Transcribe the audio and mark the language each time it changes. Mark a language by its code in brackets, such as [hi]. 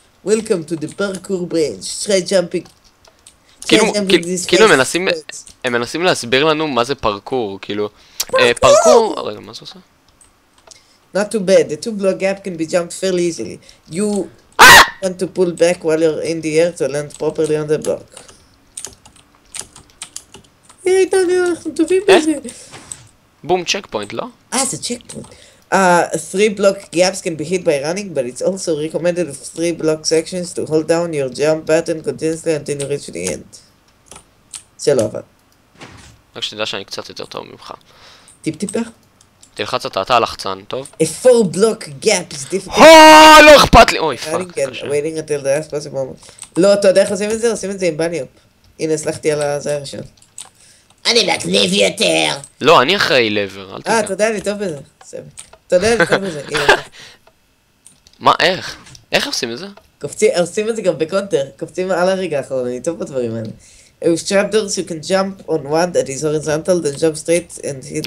[en] וולקום טו דה פרקור ברנץ', שטרי ג'אמפינג. [he] כאילו הם מנסים להסביר לנו מה זה פרקור, כאילו פרקור, רגע מה זה עושה? [en] Not too bad, the two block gap can be jumped fairly easily. You want to pull back while you're in the air to land properly on the block. [he] יאי דניאל, אנחנו טובים בזה. בום, צ'קפוינט, לא? זה צ'קפוינט. [en] Three block gaps can be hit by running, but it's also recommended with three block sections to hold down your jump button continuously until you reach the end. [he] זה לא עבד. רק שתדע שאני קצת יותר טוב ממך. טיפ טיפה? תלחץ אתה הלחצן, טוב? [en] A four block gap is difficult. [he] לא אכפת לי! אוי, פאק, קשה. [en] Waiting until the last possible moment. [he] לא, אתה יודע איך עושים את זה? עושים את זה עם בניופ. הנה, הסלחתי על הזה הראשון. אני מגניב יותר! לא, אני אחראי לבר, אל תגע. אתה יודע, אני טוב בזה. סבב. אתה יודע, אני טוב בזה, הנה. מה, איך? איך עושים את זה? קופצים, עושים את זה גם בקונטר. קופצים על הרגע האחרון, אני טוב בדברים האלה. [en] With trapdoors you can jump on one that is horizontal, then jump straight and hit...